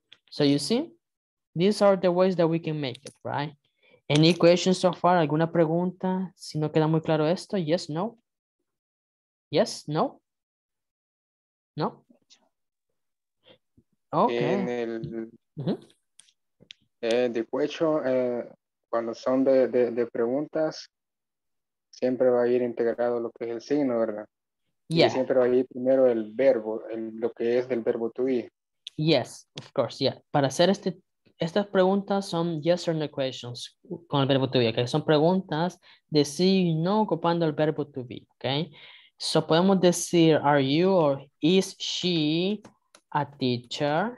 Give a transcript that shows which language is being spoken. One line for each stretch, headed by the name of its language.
English: So you see, these are the ways that we can make it, right? Any questions so far?
Spanish: ¿Alguna pregunta? Si no queda muy claro esto, yes, no?
English: Yes, no? No? Okay.
Spanish: En el, de hecho, cuando son de preguntas, siempre va a ir integrado lo que es el signo, ¿verdad?
English: Yeah.
Spanish: Y siempre va a ir primero el verbo, el, lo que es del verbo to be.
English: Yes, of course, yeah.
Spanish: Para hacer este, estas preguntas son
English: yes or no questions
Spanish: con el verbo to be, que okay? Son preguntas de sí y no ocupando el verbo to be, ¿ok? So podemos decir,
English: are you or is she a teacher?